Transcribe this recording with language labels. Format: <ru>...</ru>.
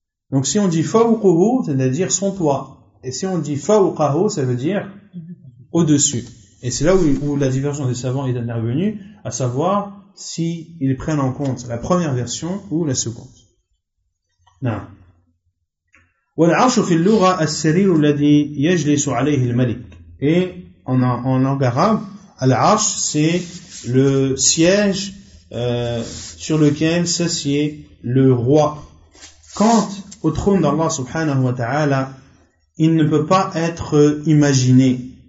<fr>Donc si on dit fawquhu, c'est-à-dire son toit. Et si on dit fawqahu, ça veut dire au-dessus. Et c'est là où la divergence des savants est intervenue, à savoir s'ils prennent en compte la première version ou la seconde. Non.</fr> <ar>والعرش في اللغة السرير الذي يجلس عليه الملك.</ar> <fr>Et en langue arabe, العرش c'est le siège sur lequel s'assied le roi. Quant au trône d'Allah subhanahu wa ta'ala, il ne peut pas être imaginé.</fr>